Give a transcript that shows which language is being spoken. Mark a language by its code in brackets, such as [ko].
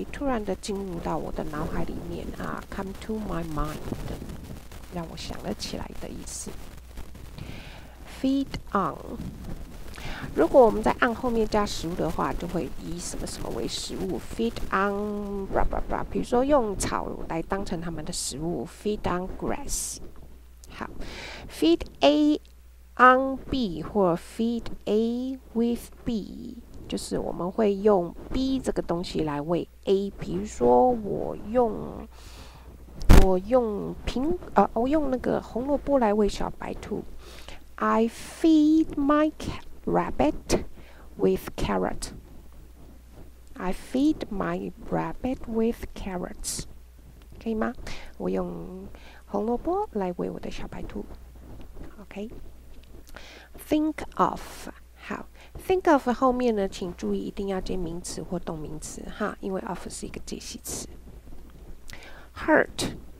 [zh] 突然的进入到我的脑海里面啊 , [en] come to my mind, [zh] 让我想了起来的意思。 [en] Feed on, [zh] 如果我们在 on 后面加食物的话就会以什么什么为食物 , [en] feed on, blah, blah, blah, [zh] 比如说用草来当成他们的食物 , [en] feed on grass。 [zh] 好 , [en] feed A on B [zh] 或 [en] feed A with B, [zh] 就是我们会用 B 这个东西来喂 A, 比如说我用那个红萝卜来喂小白兔 , [en] I feed my catRabbit with carrot. I feed my rabbit with carrots. [zh] 可以吗？我用红萝卜来喂我的小白兔。 [en] OK. Think of. [zh] 好 ， [en] think of [zh] 后面呢，请注意一定要接名词或动名词哈，因为 of 是一个介系词。 [en] Hurt.